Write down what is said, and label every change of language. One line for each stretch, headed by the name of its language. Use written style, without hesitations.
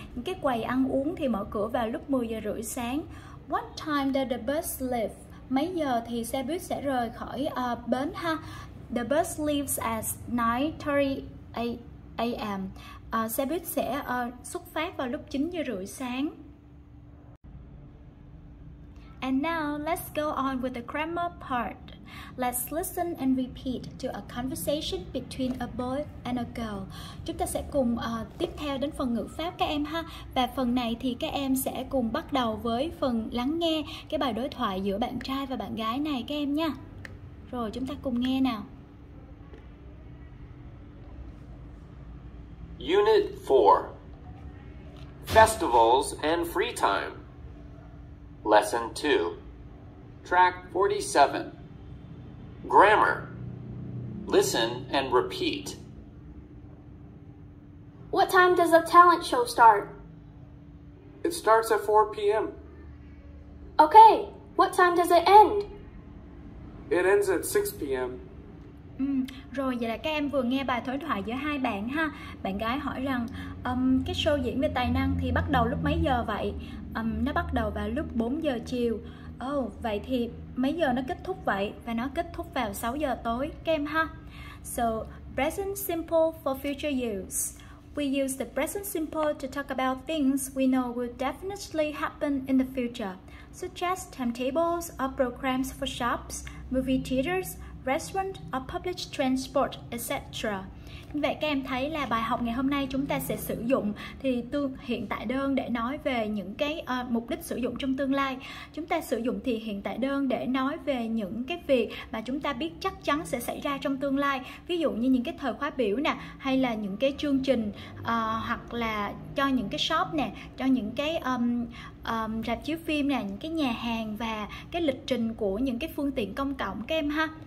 Vietnamese: Những cái quầy ăn uống thì mở cửa vào lúc 10 giờ rưỡi sáng.
English: What time does the bus leave?
Vietnamese: Mấy giờ thì xe buýt sẽ rời khỏi bến ha?
English: The bus leaves at 9:30 a.m.
Vietnamese: Xe buýt sẽ xuất phát vào lúc 9 giờ rưỡi sáng.
English: And now let's go on with the grammar part. Let's listen and repeat to a conversation between a boy and a girl.
Vietnamese: Chúng ta sẽ cùng tiếp theo đến phần ngữ pháp các em ha. Và phần này thì các em sẽ cùng bắt đầu với phần lắng nghe cái bài đối thoại giữa bạn trai và bạn gái này các em nha. Rồi chúng ta cùng nghe nào.
English: Unit 4. Festivals and free time. Lesson 2. Track 47. Grammar. Listen and repeat. What time does a talent show start? It starts at 4 p.m. Okay, what time does it end? It ends at 6 p.m.
Vietnamese: Rồi vậy là các em vừa nghe bài đối thoại giữa hai bạn ha. Bạn gái hỏi rằng cái show diễn về tài năng thì bắt đầu lúc mấy giờ vậy? Nó bắt đầu vào lúc 4 giờ chiều. Vậy thì mấy giờ nó kết thúc vậy? Và nó kết thúc vào 6 giờ tối các em ha.
English: So, present simple for future use. We use the present simple to talk about things we know will definitely happen in the future, such as timetables or programs for shops, movie theaters, restaurant or public transport, etc.
Vietnamese: Vậy các em thấy là bài học ngày hôm nay chúng ta sẽ sử dụng thì tương hiện tại đơn để nói về những cái mục đích sử dụng trong tương lai. Chúng ta sử dụng thì hiện tại đơn để nói về những cái việc mà chúng ta biết chắc chắn sẽ xảy ra trong tương lai. Ví dụ như những cái thời khóa biểu nè, hay là những cái chương trình, hoặc là cho những cái shop nè, cho những cái rạp chiếu phim nè, những cái nhà hàng và cái lịch trình của những cái phương tiện công cộng các em ha.